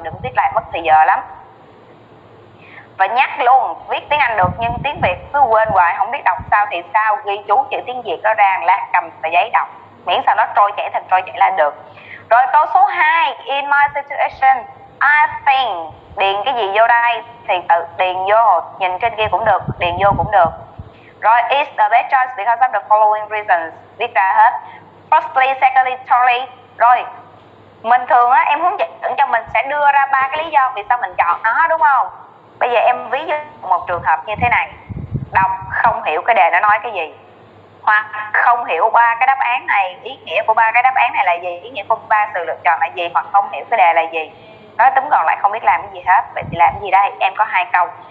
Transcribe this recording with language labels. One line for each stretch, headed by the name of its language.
Vietnamese: Đừng viết lại mất thời giờ lắm. Và nhắc luôn, viết tiếng Anh được nhưng tiếng Việt cứ quên hoài, không biết đọc sao thì sao, ghi chú chữ tiếng Việt đó ra, lát cầm tờ giấy đọc. Miễn sao nó trôi chảy thành trôi chảy là được. Rồi câu số 2,
English: in my situation, I think,
Vietnamese: điền cái gì vô đây thì tự điền vô, nhìn trên kia cũng được, điền vô cũng được.
English: Rồi, it's the best choice because of the following reasons,
Vietnamese: viết ra hết.
English: Firstly, secondly, thirdly.
Vietnamese: Rồi, mình thường á, em hướng dẫn cho mình sẽ đưa ra ba cái lý do vì sao mình chọn nó, đúng không? Bây giờ em ví dụ một trường hợp như thế này, đọc không hiểu cái đề nó nói cái gì, hoặc không hiểu ba cái đáp án này, ý nghĩa của ba cái đáp án này là gì, ý nghĩa của ba sự lựa chọn là gì, hoặc không hiểu cái đề là gì, nói tóm gọn lại không biết làm cái gì hết. Vậy thì làm cái gì đây? Em có hai câu.